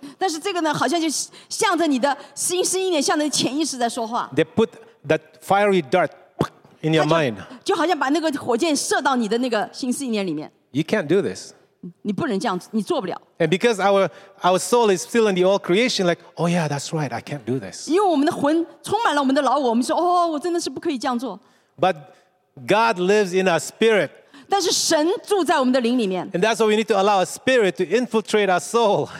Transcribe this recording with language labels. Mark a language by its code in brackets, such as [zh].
[zh] 但是这个呢，好像就向着你的心思意念，向着潜意识在说话。 [en] They put that fiery dart in your mind. [zh] 就好像把那个火箭射到你的那个心思意念里面。 [en] You can't do this. [zh] 你不能这样，你做不了。 [en] And because our soul is still in the old creation, like, oh yeah, that's right, I can't do this. [zh] 因为我们的魂充满了我们的老我，我们说，哦，我真的是不可以这样做。 [en] But God lives in our spirit. [zh] 但是神住在我们的灵里面。 [en] And that's why we need to allow a spirit to infiltrate our soul.